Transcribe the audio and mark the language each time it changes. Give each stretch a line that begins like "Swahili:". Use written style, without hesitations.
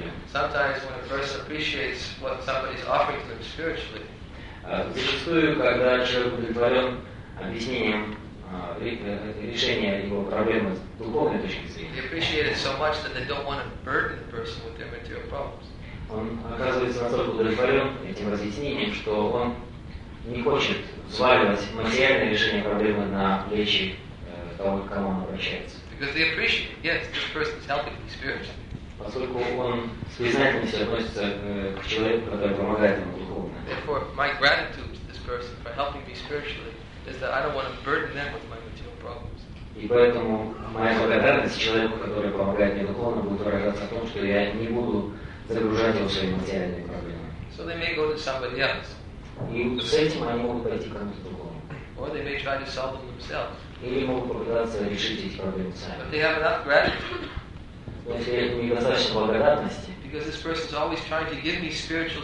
English: sometimes when a person appreciates what somebody is offering to them spiritually,
Russian: зачастую, когда человек удовлетворен объяснением решения его проблемы с духовной точки зрения,
English: they appreciate it so much that they don't want to burden the person with their material problems.
Russian: Он оказывается настолько удовлетворен этим разъяснением, что он не хочет взваливать материальные решения проблемы на плечи того, к кому он обращается.
English: Because they appreciate, yes, this person is helping the spirit.
Russian: Поскольку он с признательностью относится к человеку, который помогает ему духовно.
English: Therefore, my gratitude to this person for helping me spiritually is that I don't want to burden them with my material problems.
Russian: И поэтому моя благодарность человеку, который помогает мне духовно, будет выражаться в том, что я не буду загружать его своими материальными проблемами.
English: So they may go to somebody else.
Russian: И с этим они могут пойти к кому-то другому.
English: Or they may try to solve them themselves.
Russian: Или могут попытаться решить эти проблемы сами.
English: But they have enough gratitude. Because this person is always trying to give me spiritual